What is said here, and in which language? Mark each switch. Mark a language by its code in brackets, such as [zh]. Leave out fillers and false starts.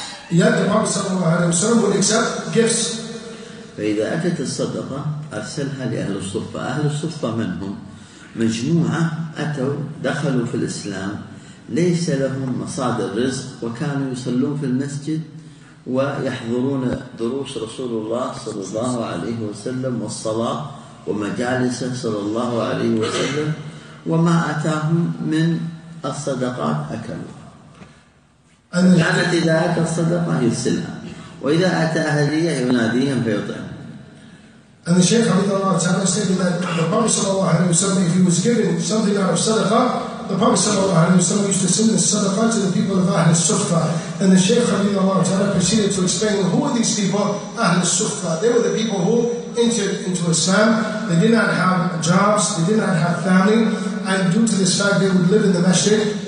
[en] yet the Prophet [ar] sallallahu alayhi wa sallam [en] would accept gifts. [ar] فإذا أتت الصدقة أرسلها لأهل الصفة. أهل الصفة منهم مجموعة أتوا دخلوا في الإسلام ليس لهم مصادر رزق وكانوا يصلون في المسجد ويحضرون دروس رسول الله صلى الله عليه وسلم والصلاة ومجالسه صلى الله عليه وسلم وما أتاهم من الصدقات أكلوا. كانت إذا أتى الصدقة يرسلها وإذا أتى هدية يناديهم فيطعم. [en] And the Shaykh Abdullah Ta'ala stated that the Prophet [ar] sallallahu alayhi wa sallam, [en] if he was given something out of sadaqah, the Prophet sallallahu alayhi wa sallam used to send the sadaqah to the people of Ahl al-Sufah. And the Shaykh Abdullah Ta'ala proceeded to explain, who are these people? Ahl al-Sufah. They were the people who entered into Islam. They did not have jobs, they did not have family, and due to this fact, they would live in the masjid.